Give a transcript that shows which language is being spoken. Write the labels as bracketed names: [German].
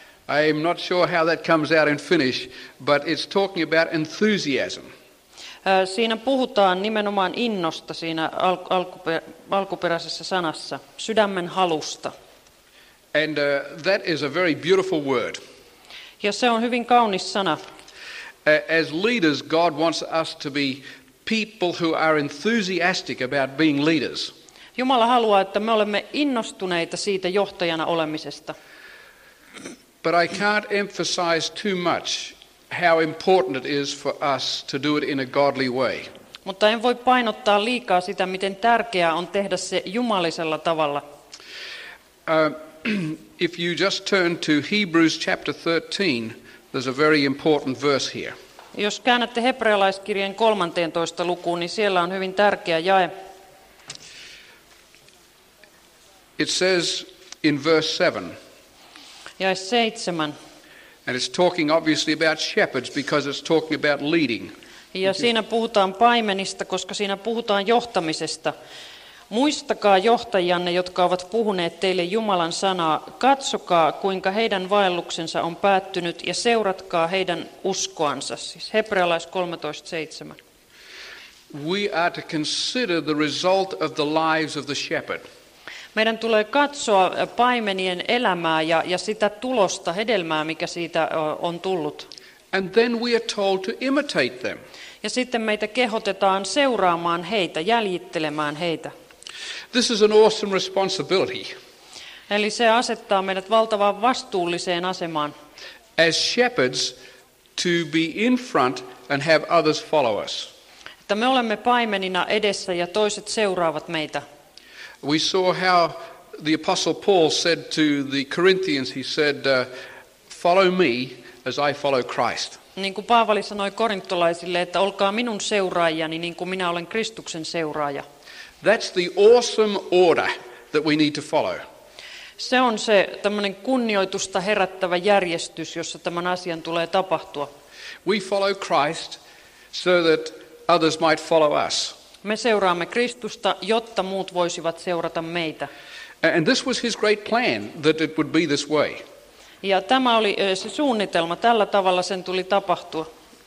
[English] I'm not sure how that comes out in Finnish, but it's talking about enthusiasm. [Finnish] Siinä puhutaan nimenomaan innosta siinä alkuperäisessä sanassa, sydämen halusta. [English] And that is a very beautiful word. [Finnish] Ja se on hyvin kaunis sana. [English] As leaders, God wants us to be people who are enthusiastic about being leaders. [Finnish] Jumala haluaa, että me olemme innostuneita siitä johtajana olemisesta. [English] But I can't emphasize too much how important it is for us to do it in a godly way. [Finnish] Mutta en voi painottaa liikaa sitä, miten tärkeää on tehdä se jumalisella tavalla. [English] If you just turn to Hebrews chapter 13, there's a very important verse here. [Finnish] Jos käännätte hebrealaiskirjeen 13. lukuun, niin siellä on hyvin tärkeä jae. [English] It says in verse 7. [Finnish] Jae 7. [English] And it's talking obviously about shepherds because it's talking about leading. [Finnish] Ja siinä puhutaan paimenista, koska siinä puhutaan johtamisesta. Muistakaa johtajanne, jotka ovat puhuneet teille Jumalan sanaa. Katsokaa, kuinka heidän vaelluksensa on päättynyt ja seuratkaa heidän uskoansa. Siis hebrealais 13:7. [English] We are to consider the result of the lives of the shepherd. [Finnish] Meidän tulee katsoa paimenien elämää ja sitä tulosta, hedelmää, mikä siitä on tullut. [English] And then we are told to imitate them. [Finnish] Ja sitten meitä kehotetaan seuraamaan heitä, jäljittelemään heitä. [English] This is an awesome responsibility. [Finnish] Eli se asettaa meidät valtavaan vastuulliseen asemaan. [English] As shepherds, to be in front and have others follow us. [Finnish] Että me olemme paimenina edessä ja toiset seuraavat meitä. [English] We saw how the Apostle Paul said to the Corinthians, he said, follow me as I follow Christ. [Finnish] Niin kuin Paavali sanoi korintolaisille, että olkaa minun seuraajani niin kuin minä olen Kristuksen seuraaja. [English] That's the awesome order that we need to follow. [Finnish] Se on se tämmöinen kunnioitusta herättävä järjestys, jossa tämän asian tulee tapahtua. [English] We follow Christ so that others might follow us. [Finnish] Me seuraamme Kristusta, jotta muut voisivat seurata meitä. [English] And this was his great plan, that it would be this way. [Finnish] Ja tämä oli se suunnitelma, tällä tavalla sen tuli tapahtua.